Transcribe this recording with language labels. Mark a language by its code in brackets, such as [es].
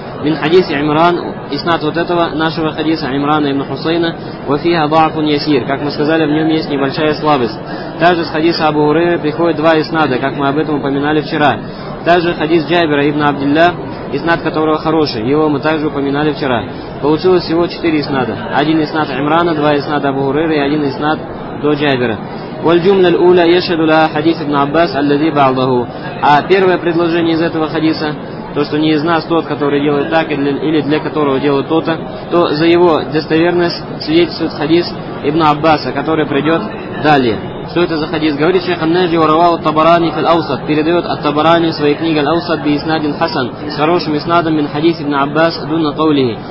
[ar] Мин хадис Имран, [ru] иснад вот этого нашего хадиса Имрана ибн Хусейна, [ar] ва фиха дафун ясир, [ru] как мы сказали, в нем есть небольшая слабость. Также с хадиса Абу Хурейры приходят 2 иснада, как мы об этом упоминали вчера. Также хадис Джабира ибн Абдилля, и снад которого хороший, его мы также упоминали вчера. Получилось всего 4 иснада. Один иснад Имрана, 2 иснада Абу Хурейры и один иснад до Джабира. [ar] والجملة الأولى يشهد لها حديث ابن عباس الذي بعضه. [ru] А первое предложение из этого хадиса, то что не из нас тот, который делает так или для которого делает то-то, то за его достоверность свидетельствует хадис ابن عباس, который придет далее. Что это за хадис? Говорит шейх ан-Наджи, [ar] уравал ат-Табарани фи ал-Аусат, [ru] передает ат-Табарани в своей книге ал-Аусат [ar] би иснадин хасан, [ru] с хорошим иснадом [ar] мин хадис ибн Аббас дунна каулихи.